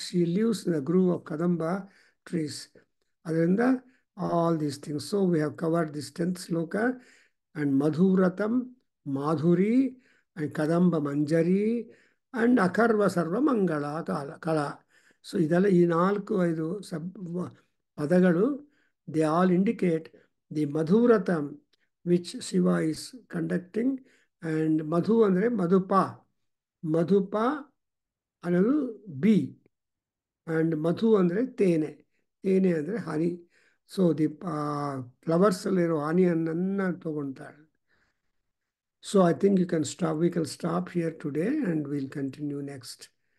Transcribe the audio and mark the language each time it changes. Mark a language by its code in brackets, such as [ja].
[en] She lives in the grove of Kadamba trees. Adarinda, all these things. So we have covered this 10th sloka and Madhuratam, Madhuri, and Kadamba manjari, and Akarva sarva mangala kala. [kn] So ಇದೆಲ್ಲ ಈ ನಾಲ್ಕು ಐದು ಪದಗಳು [en] They all indicate the ಮಧುವ್ರತಂ which Shiva is conducting. [kn] And ಮಧು ಅಂದರೆ ಮಧುಪ, ಮಧುಪ ಅನ್ನೋದು B, and ಮಧು ಅಂದರೆ ತೇನೆ, ತೇನೆ ಅಂದರೆ ಹನಿ. So the ಫ್ಲವರ್ಸಲ್ಲಿರೋ ಹನಿಯನ್ನು ತೊಗೊಳ್ತಾಳೆ. [en] So I think you can stop. We can stop here today and we'll continue next.